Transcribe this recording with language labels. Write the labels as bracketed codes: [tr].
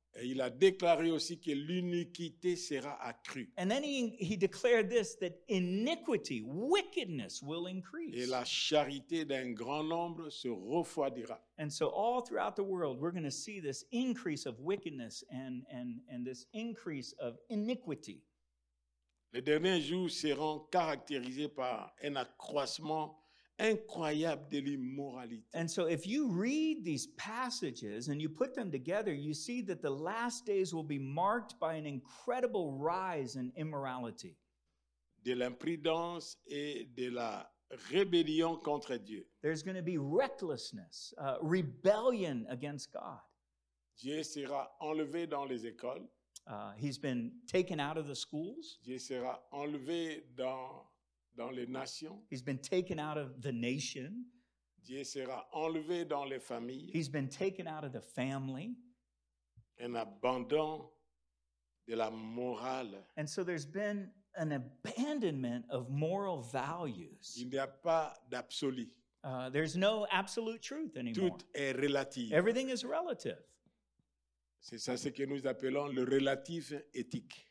[fr] Et il a déclaré aussi que l'iniquité sera accrue. [en] And then he declared this, that iniquity, wickedness will increase. [fr] Et la charité d'un grand nombre se refroidira. [en] And so all throughout the world, we're going to see this increase of wickedness and this increase of iniquity. [fr] Les derniers jours seront caractérisés par un accroissement incroyable de l'immoralité. [en] And so if you read these passages and you put them together, you see that the last days will be marked by an incredible rise in immorality. [fr] De l'imprudence et de la rébellion contre Dieu. [en] There's going to be recklessness, rebellion against God. [fr] Dieu sera enlevé dans les écoles. [en] He's been taken out of the schools. [fr] Dieu sera enlevé dans les nations. [en] He's been taken out of the nation. [fr] Dieu sera enlevé dans les familles. [en] He's been taken out of the family. [fr] Un abandon de la morale. [en] And so there's been an abandonment of moral values. [fr] Il n'y a pas d'absolu. [en] There's no absolute truth anymore. [fr] Tout est relatif. [en] Everything is relative. [fr] C'est ça ce que nous appelons le relatif éthique.